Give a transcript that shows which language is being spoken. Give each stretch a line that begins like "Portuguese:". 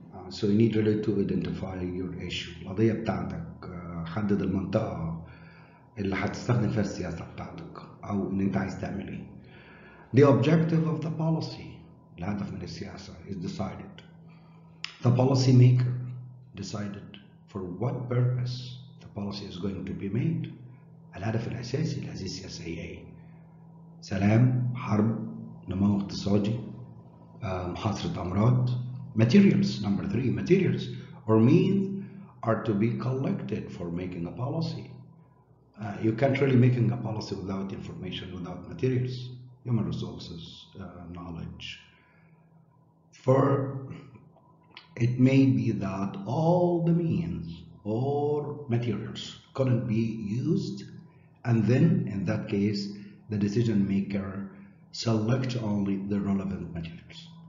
English: So you need really to identify your issue.
Arabic: القضية بتاعتك, حدد المنطقة اللي هتستخدم فيها السياسة بتاعتك أو إن أنت عايز تعمل إيه.
English: The objective of the policy,
Arabic: الهدف من السياسة,
English: is decided. The policy maker decided for what purpose the policy is going to be made.
Arabic: الهدف الأساسي لهذه السياسة هي إيه؟ سلام, حرب, نمو اقتصادي, محاصرة أمراض.
English: Materials, number three, materials or means are to be collected for making a policy. You can't really make a policy without information, without materials, human resources, knowledge. For it may be that all the means or materials couldn't be used, and then in that case, the decision maker select only the relevant materials.